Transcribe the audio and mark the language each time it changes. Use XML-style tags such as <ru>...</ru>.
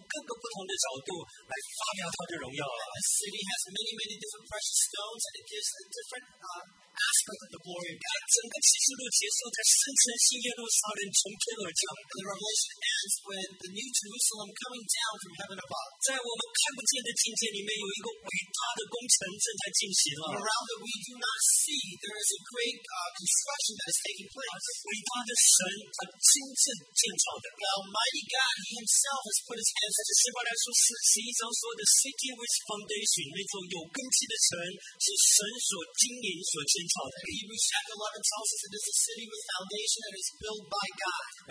<zh>这个圣城里面每一个宝石从各个不同的角度来发表他的荣耀,</zh> <en>and the city has many, many different precious stones, and it gives a different aspect of the glory of God.</en> <zh>整个启示录结束在圣城新耶路撒冷从天而降,</zh> <en>and the revelation ends with the new Jerusalem coming down from heaven above.</en> <zh>在我们看不见的境界里面有一个伟大的工程正在进行,</zh> <en>and around that we do not see, there is a great construction that is taking place.</en> <zh>伟大的神他亲自建造的,</zh> <en>the Almighty God himself has put his hands</en> <zh>on. 在希伯来书十一章说,</zh> <en>the city which foundation,</en> <zh>那座有根基的城是神所经营所建造的,</zh> <en>Hebrews chapter 11 tells us that it's a city with foundation that is built by God.</en>